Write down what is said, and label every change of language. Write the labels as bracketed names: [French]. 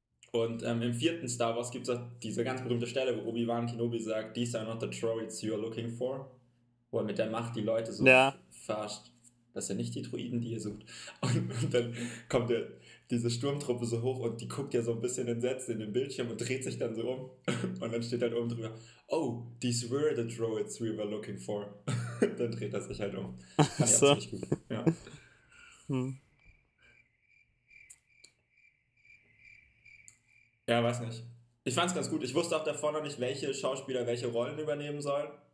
[German] Und im vierten Star Wars gibt es auch diese ganz berühmte Stelle, wo Obi-Wan Kenobi sagt, [English] these are not the droids you are looking for. [German] Wo er mit der Macht die Leute so verarscht. Das sind nicht die Droiden, die ihr sucht. Und dann kommt diese Sturmtruppe so hoch und die guckt ja so ein bisschen entsetzt in den Bildschirm und dreht sich dann so um. Und dann steht halt oben drüber, [English] oh, these were the droids we were looking for. [German] Und dann dreht er sich halt um. Ach so. Ja. Ja, weiß nicht. Ich fand's ganz gut. Ich wusste auch davor noch nicht, welche Schauspieler welche Rollen übernehmen sollen.